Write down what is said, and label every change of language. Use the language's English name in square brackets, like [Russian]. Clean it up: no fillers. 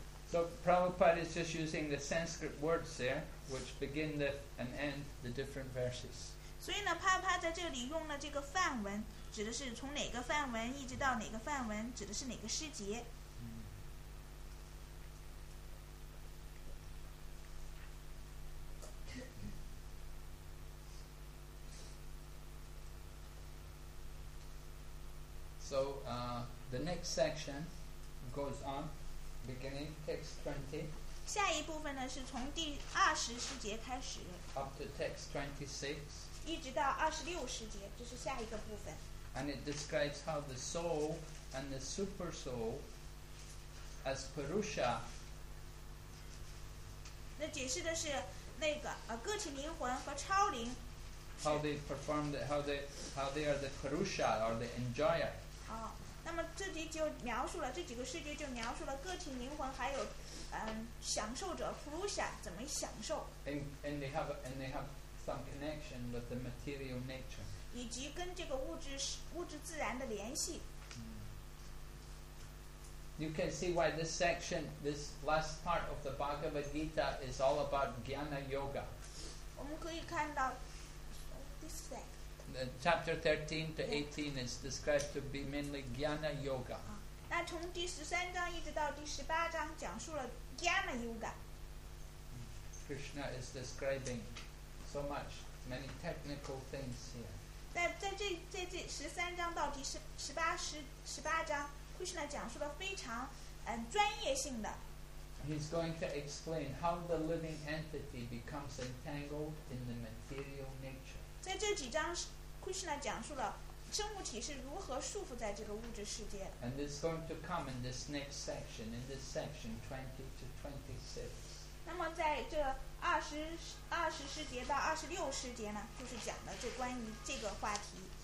[English] So Prabhupada is just using the Sanskrit words there, which begin the and end the different verses. [Chinese] 所以呢，帕帕在这里用了这个梵文，指的是从哪个梵文一直到哪个梵文，指的是哪个诗节。 [English] So the next section goes on, beginning text 20. [Chinese] 下一部分呢是从第二十诗节开始。 [English] Up to text 26. [Chinese] 一直到二十六诗节，这是下一个部分。 [English] And it describes how the soul and the super soul as Purusha. [Chinese] 那解释的是那个个体灵魂和超灵。 [English] How they perform the how they are the Purusha or the enjoyer. [Chinese] 那么这里就描述了这几个世界，就描述了个体灵魂还有享受者 Purusha 怎么享受。 [English] And they have some connection with the material nature. [Chinese] 以及跟这个物质自然的联系。 [English] You can see why this section, this last part of the Bhagavad Gita is all about Jnana Yoga. [Chinese] 我们可以看到 [English] this section. Chapter 13 to 18 is described to be mainly Jnana Yoga. [Chinese] 那从第十三章一直到第十八章讲述了 Jnana Yoga. [English] Krishna is describing so much, many technical things here. [Chinese] 在这十三章到第十八章 Krishna 讲述了非常专业性的。 [English] He's going to explain how the living entity becomes entangled in the material nature. [Chinese] 在这几章Krishna 讲述了生物体是如何束缚在这个物质世界。 [English] And it's going to come in this next section, in this section 20 to 26. [Chinese] 那么在这二十世节到二十六世节呢，就是讲的这关于这个话题。